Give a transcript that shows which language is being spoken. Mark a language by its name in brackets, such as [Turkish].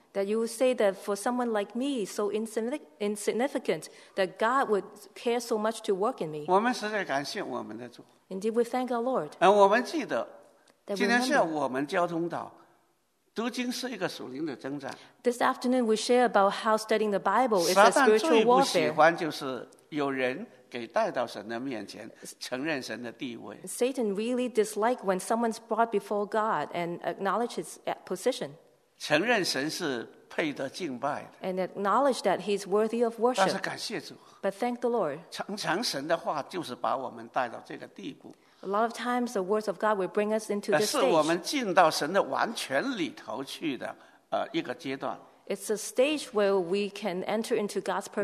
[English] that you would say that for someone like me, so insignificant, that God would care so much to work in me. [Chinese] 我们实在感谢我们的主。 [English] Indeed, we thank our Lord. [Chinese] 我们记得, 今天是我们交通道, 读经是一个属灵的征战。 [English] This afternoon, we share about how studying the Bible is a spiritual warfare. [Chinese] 撒旦最不喜欢就是有人 给带到神的面前承认神的地位。 [English] Satan really dislikes when someone's brought before God and acknowledges his position. [Chinese] 承认神是配得敬拜的。 [English] And acknowledge that he's worthy of worship. [Chinese] 但是感谢主。 [English] But thank the Lord. [Chinese] 常常神的话就是把我们带到这个地步。 [English] A lot of times the words of God will bring us into this stage. [Chinese] 是我们进到神的完全里头去的, 一个阶段。 [English] It's a stage where we can enter into God's perfection.